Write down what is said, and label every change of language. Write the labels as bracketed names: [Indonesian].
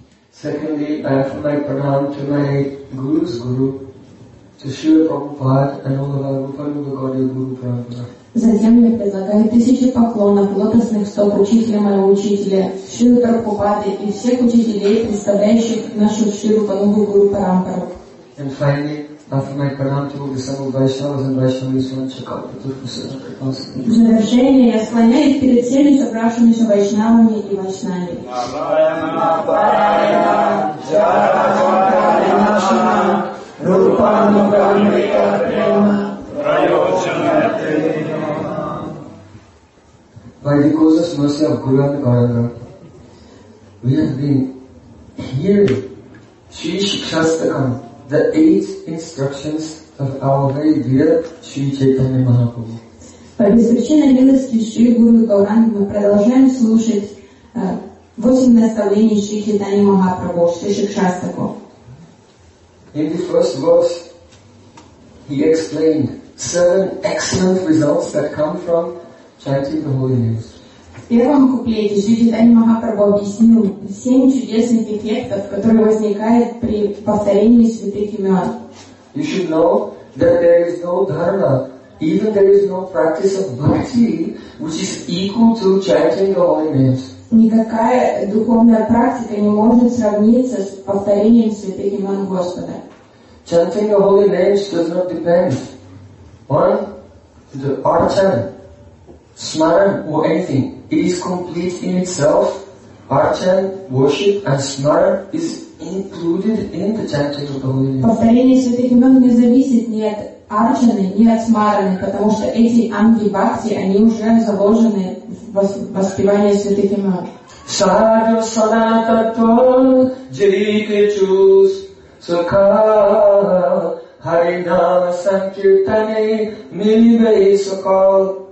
[English] Secondly, I offer my pranam to my Guru's Guru, to Shiva Prabhupada and all of our Rupanu Gachari Guru Prabhupada. [Russian] Затем я предлагаю тысячи поклонов лотосных стоп учителя моего учителя, Шри Прабхупады и всех учителей, представляющих нашу Шри Панугу Гуру Парампару. [English] And finally, after my pranam to the several Vaishnavas and Vaishnavas and Chakrapati [Russian] Prasad. В завершение я склоняюсь перед всеми собравшимися Вайшнавами и Вайшнами. [English] By the causeless mercy of Guru and Gauranga, we have been hearing Sri Shikshastakam, the eight instructions of our very dear Sri Chaitanya Mahaprabhu. [Russian] По беспричинной милости Шри Гуру Гауранга мы продолжаем слушать восемь наставлений Шри Чайтаньи Махапрабху, Шри Шикшастаку. [English] In the first verse, he explained seven excellent results that come from chanting the holy names. [Russian] В первом куплете Шри Чайтанья Махапрабху объяснил семь чудесных эффектов, которые возникают при повторении святых имен. [English] You should know that there is no dharma, even there is no practice of bhakti, which is equal to chanting the holy names. [Russian] Никакая духовная практика не может сравниться с повторением святых имен Господа. [English] Chanting the holy names does not depend on the archan, smaran, or anything. It is complete in itself. Archan, worship, and smaran is included in the chanting of the holy names. [Russian] Повторение святых имен не зависит ни от арчаны, ни от смараны, потому что эти анги бхакти, они уже заложены в воспевании святых имен. Сарва санататва джите чус Сукха Хари Нама Санкиртане Нивей Сукал.